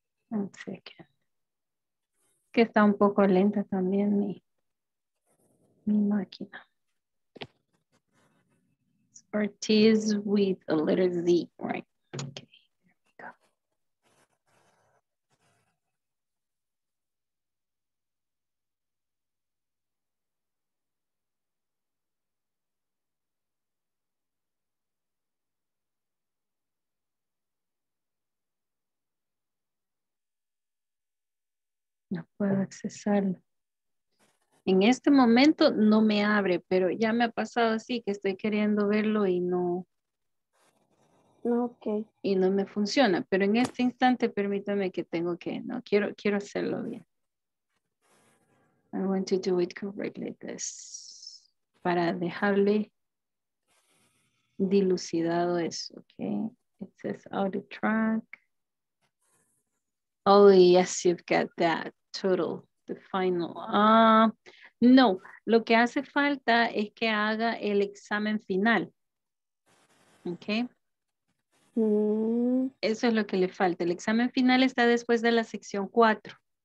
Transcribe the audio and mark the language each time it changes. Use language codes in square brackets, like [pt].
[es] Un segundo. Que está un poco lenta también mi máquina. [en] Or T is with a letter Z, right? Okay, there we go. Mm-hmm. [es] No puedo accesarlo. En este momento no me abre, pero ya me ha pasado así que estoy queriendo verlo y no. [en] Okay. [es] Y no me funciona, pero en este instante permítame que tengo que, no, quiero hacerlo bien. [en] I want to do it correctly this. [es] Para dejarle dilucidado eso, [en] okay? It says out of track. Oh, yes, you've got that total, the final. [es] No, lo que hace falta es que haga el examen final. Okay? Eso es lo que le falta. El examen final está después de la sección 4.